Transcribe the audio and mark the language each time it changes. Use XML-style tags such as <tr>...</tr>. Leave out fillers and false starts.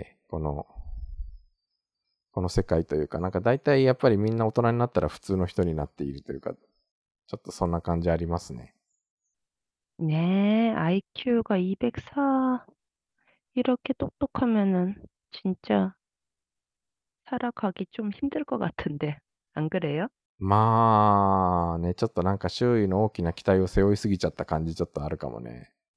<ja>この世界というか、なんか大体やっぱりみんな大人になったら普通の人になっているというか、ちょっとそんな感じありますね。ねえ、IQ が204。</ja> <ko>이렇게 똑똑하면은 진짜 살아가기 좀 힘들 것 같은데, 안 그래요?</ko> <ja>まあね、ちょっとなんか周囲の大きな期待を背負いすぎちゃった感じちょっとあるかもね。</ja>